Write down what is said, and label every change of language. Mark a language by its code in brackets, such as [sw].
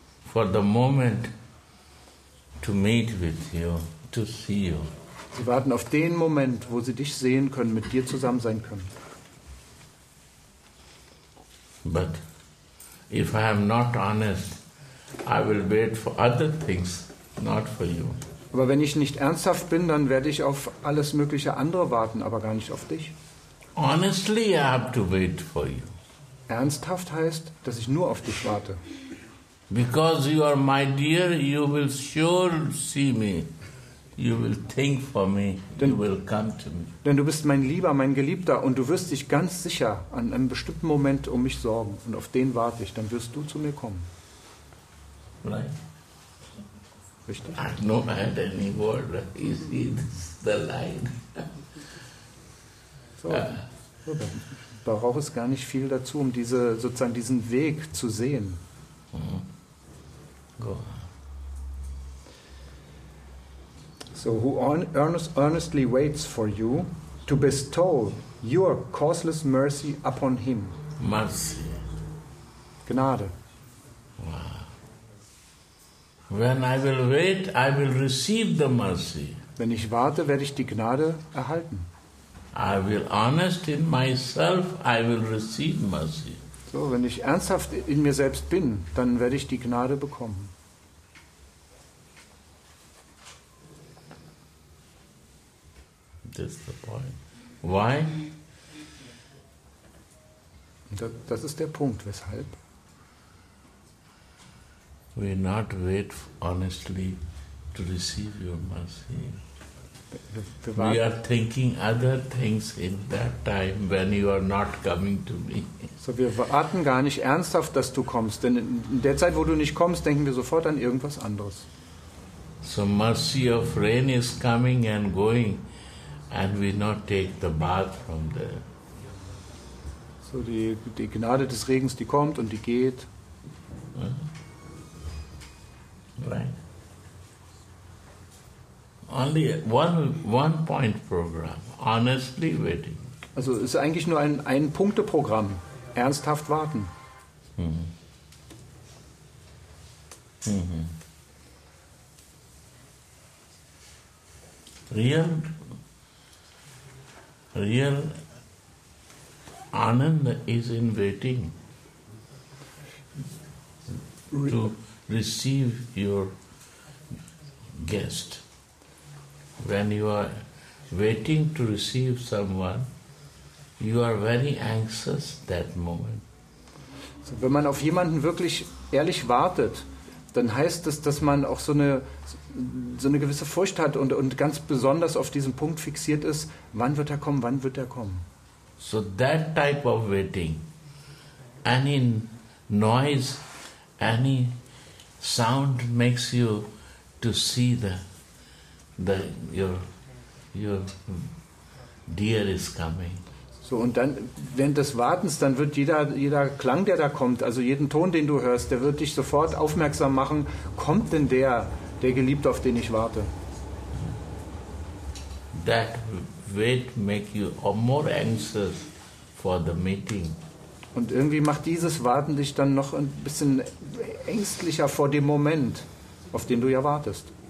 [en] For the moment to meet with you, to see you. [de] Sie warten auf den Moment, wo sie dich sehen können, mit dir zusammen sein können. [en] But if I am not honest, I will wait for other things, not for you. [de] Aber wenn ich nicht ernsthaft bin, dann werde ich auf alles mögliche andere warten, aber gar nicht auf dich. [en] Honestly, I have to wait for you. [de] Ernsthaft heißt, dass ich nur auf dich warte. [en] Because you are my dear, you will sure see me. You will think for me. You will come to me. [de] Denn du bist mein Lieber, mein Geliebter, und du wirst dich ganz sicher an einem bestimmten Moment um mich sorgen, und auf den warte ich. Dann wirst du zu mir kommen. [en] Right. [de] Richtig. [en] At no matter any word, you see this, the line. [de] So. Da braucht es gar nicht viel dazu, um diesen Weg zu sehen. [en] Go. So who earnestly waits for you to bestow your causeless mercy upon him. Mercy. [de] Gnade. [en] Wow. When I will wait, I will receive the mercy. [de] Wenn ich warte, werde ich die Gnade erhalten. [en] I will honest in myself, I will receive mercy. [de] So, wenn ich ernsthaft in mir selbst bin, dann werde ich die Gnade bekommen. [en] That's the point. Why? [de] Das ist der Punkt, weshalb. [en] We not wait honestly to receive your mercy. We are thinking other things in that time when you are not coming to me. [de] So, wir warten gar nicht ernsthaft, dass du kommst, denn in der Zeit, wo du nicht kommst, denken wir sofort an irgendwas anderes. [en] So mercy of rain is coming and going. And we not take the bath from there. [de] So die Gnade des Regens, die kommt und die geht. [en] Right. Only one point program. Honestly waiting. [de] Also es ist eigentlich nur ein Punkteprogramm. Ernsthaft warten. [en] Real Ananda is in waiting to receive your guest. When you are waiting to receive someone, you are very anxious that moment. [de] So, wenn man auf jemanden wirklich ehrlich wartet, dann heißt das, dass man auch so eine gewisse Furcht hat und ganz besonders auf diesen Punkt fixiert ist, wann wird er kommen, wann wird er kommen. [en] So that type of waiting, any noise, any sound makes you to see the your deer is coming. [de] So, und dann während des Wartens, dann wird jeder Klang, der da kommt, also jeden Ton, den du hörst, der wird dich sofort aufmerksam machen. Kommt denn der Geliebte, auf den ich warte? [en] That wait make you more anxious for the meeting. [de] Und irgendwie macht dieses Warten dich dann noch ein bisschen ängstlicher vor dem Moment, auf den du ja wartest.